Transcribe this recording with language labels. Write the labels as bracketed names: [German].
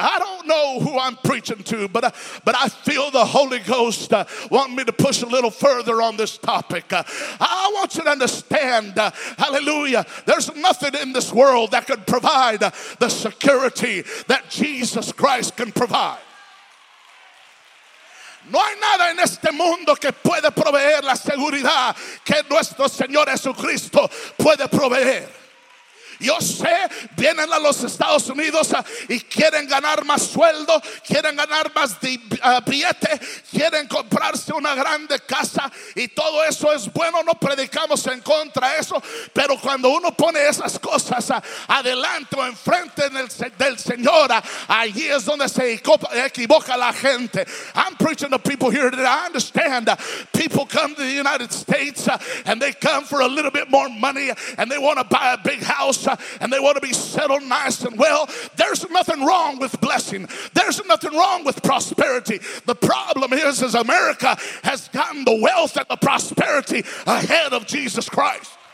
[English] I don't know who I'm preaching to, but I feel the Holy Ghost want me to push a little further on this topic. I want you to understand, hallelujah, there's nothing in this world that could provide the security that Jesus Christ can provide. [Spanish] No hay nada en este mundo que puede proveer la seguridad que nuestro Señor Jesucristo puede proveer. Yo sé, vienen a los Estados Unidos y quieren ganar más sueldo, quieren ganar más billete, quieren comprarse una grande casa y todo eso es bueno, no predicamos en contra de eso, pero cuando uno pone esas cosas adelante o enfrente del Señor, allí es donde se equivoca la gente. [English] I'm preaching to people here that I understand. People come to the United States and they come for a little bit more money and they want to buy a big house and they want to be settled nice and well. There's nothing wrong with blessing. There's nothing wrong with prosperity. The problem is America has gotten the wealth and the prosperity ahead of Jesus Christ.